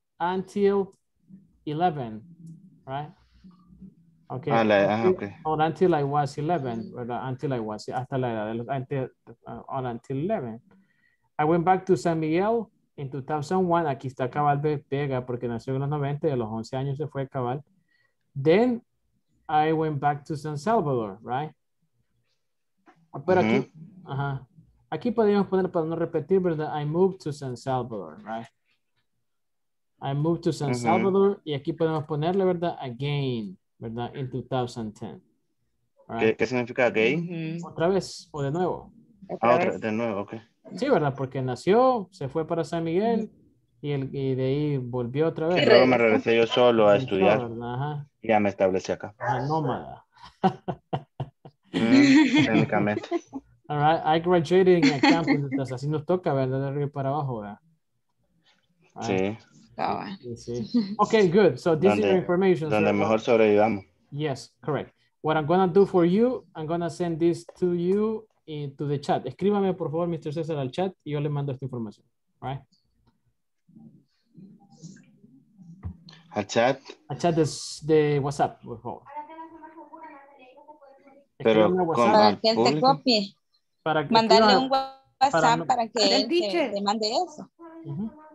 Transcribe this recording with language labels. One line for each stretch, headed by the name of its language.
English: Until 11, right? Okay. Until I was 11,
Spanish: ¿verdad?
English: Until I was,
Spanish: hasta la edad,
English: until 11. I went back to San Miguel in 2001.
Spanish: Aquí está Cabal de Vega, porque nació en los 90, y a los 11 años se fue Cabal.
English: Then I went back to San Salvador, right?
Spanish: Pero aquí, aquí podríamos poner, para no repetir, ¿verdad?
English: I moved to San Salvador, right? I moved to San Salvador,
Spanish: y aquí podemos ponerle, ¿verdad?
English: Again.
Spanish: ¿Verdad?
English: In 2010. Right.
Spanish: ¿Qué significa gay? ¿Otra vez o de nuevo? De nuevo, ok. Sí, ¿verdad? Porque nació, se fue para San Miguel y de ahí volvió otra vez. Y luego me regresé yo solo a estudiar. Ajá. Y ya me establecí acá. A nómada. Técnicamente.
English: All right. I graduated in a campus.
Spanish: Entonces, así nos toca, ¿verdad? De arriba para abajo, ¿verdad?
English: Right. Sí. Sí. Okay, good. So this is your information.
Spanish: Donde mejor sobrevivamos.
English: Yes, correct. What I'm going to do for you, I'm going to send this to you into the chat.
Spanish: Escríbame, por favor, Mr. César, al chat y yo le mando esta información.
English: All right?
Spanish: Al chat. Al chat de WhatsApp, por favor. Pero para que él te copie. Mandarle un WhatsApp para que él te mande eso. Uh-huh.